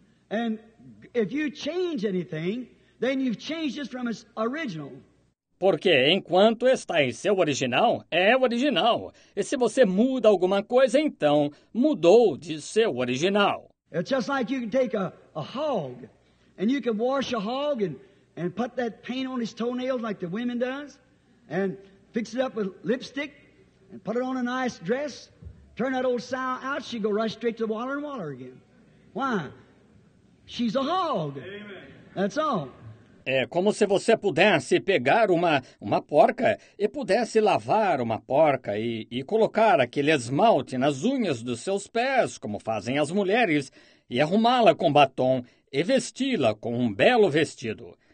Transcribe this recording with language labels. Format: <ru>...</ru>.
<en>And if you change anything, then you've changed it from its original.</en> <pt>Porque enquanto está em seu original, é original. E se você muda alguma coisa, então mudou de seu original.</pt> <en>It's just like you can take a hog, and you can wash a hog and put that paint on his toenails like the women does, and fix it up with lipstick, and put it on a nice dress, turn that old sow out, she go right straight to the water and water again. Why? She's a hog. Amen. That's all.</en> <pt>É como se você pudesse pegar uma porca e pudesse lavar uma porca e colocar aquele esmalte nas unhas dos seus pés, como fazem as mulheres, e arrumá-la com batom e vesti-la com um belo vestido.</pt>